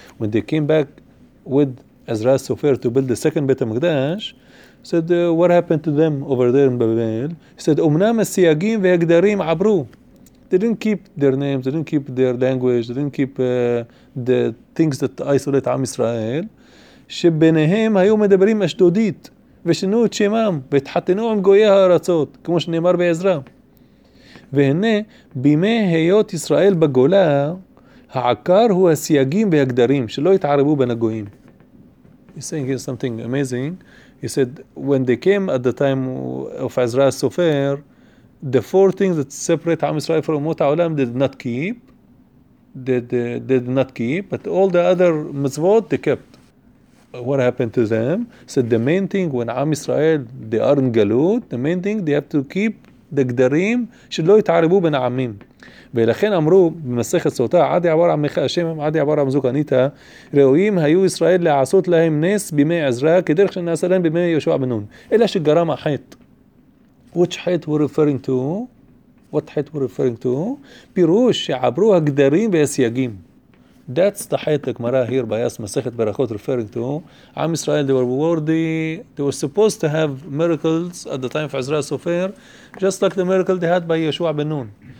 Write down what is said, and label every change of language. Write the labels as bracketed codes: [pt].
[en] When they came back with Ezra Sofer to build the second Beit HaMikdash, said, what happened to them over there in Babel? He said, [he] Umnam Siyagim ve'Agdarim Abru. [en] They didn't keep their names, they didn't keep their language, they didn't keep the things that isolate Am Yisrael. [he] שביניהם היו מדברים אשדודית ושינו את שמם והתחתנו עם גויי הארצות, כמו שנאמר בעזרה. והנה, בימי היות ישראל בגולה, העקר הוא הסייגים והגדרים שלא התערבו בין הגויים. [en] He's saying here something amazing. He said, when they came at the time of Ezra Sofer, the four things that separate Am Israel from Umot HaOlam did not keep, they did not keep, but all the other mitzvot they kept. What happened to them? Said the main thing when Am Israel, they are in Galut, the main thing they have to keep the Gdarim, should [he] lo yitaribu ben Amim. ולכן אמרו במסכת סוטה, עד יעבור עמך השם, עד יעבור עמזוק עניתה, ראויים היו ישראל לעשות להם נס בימי עזרה, כדרך שנעשה להם בימי יהושע בן נון. אלא שגרם החטא. [en] Which hate we're referring to? What hate we're referring to? [he] פירוש שעברו הגדרים והסייגים. [en] That's the hate the Gemara here by us, Masechet Berachot, referring to. Am Israel, they were worthy. They were supposed to have miracles at the time of Ezra Sofer, just like the miracle they had by Yeshua ben Nun.